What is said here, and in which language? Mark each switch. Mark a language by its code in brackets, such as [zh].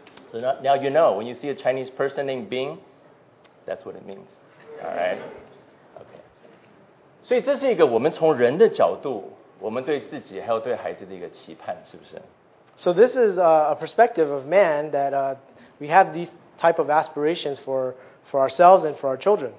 [en] So now you know, when you see a Chinese person named Bing, that's what it means. All right. [zh] 所以这是一个我们从人的角度，我们对自己还有对孩子的一个期盼，是不是 [en] ？So this is a perspective of man that we have these type of aspirations for ourselves and for our children.